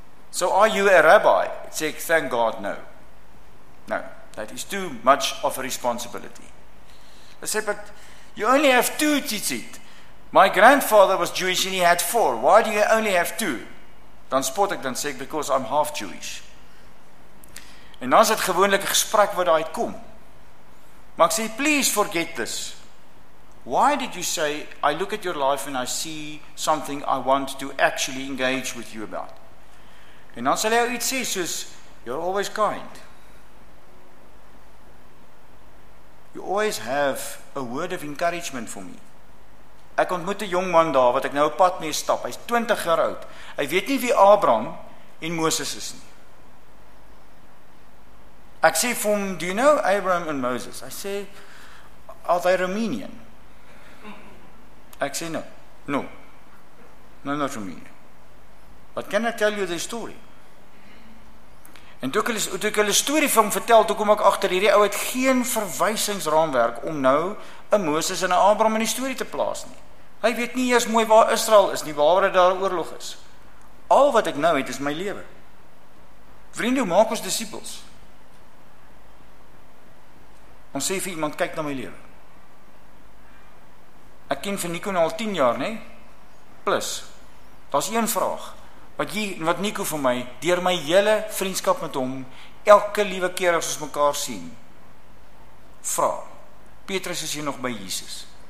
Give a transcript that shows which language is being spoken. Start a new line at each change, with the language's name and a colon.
English: So are you a rabbi?
Afrikaans: Sê ek,
English: thank God, no. No, that is too much of a responsibility. I
Afrikaans: sê,
English: but you only have 2, tzitzit. My grandfather was Jewish and he had 4. Why do you only have 2?
Afrikaans: Dan spot ek, dan sê ek,
English: because I'm half Jewish.
Afrikaans: En dan is het gewoonlik een gesprek wat daar uitkom. Maar ek sê,
English: please forget this. Why did you say, I look at your life and I see something I want to actually engage with you about?
Afrikaans: En dan sê hy iets sê, soos,
English: you're always kind. You always have a word of encouragement for me.
Afrikaans: Ek ontmoet 'n jong man daar, wat ek nou op pad mee stap, hy is 20 jaar oud, hy weet nie wie Abraham en Moses is nie. Ek sê vir hom,
English: do you know Abraham and Moses?
Afrikaans: Hy sê,
English: are they Romanian?
Afrikaans: Ek sê,
English: no, not Romanian. But can I tell you their story?
Afrikaans: En toe ek hulle story vir hom vertel, toe kom ek achter, hierdie ou het geen verwysingsraamwerk om nou een Moses en een Abraham in die story te plaas nie. Hy weet nie eers mooi waar Israel is nie, waar daar oorlog is. Al wat ek nou het, is my lewe. Vriende, maak ons disciples. Ons sê vir iemand, kyk na my lewe. Ek ken vir Nico al 10 jaar, nee? Plus, daar is een vraag, wat Nico vir my, deur my hele vriendskap met hom, elke liewe keer as ons mekaar sien, vra, Petrus is hier nog by Jesus?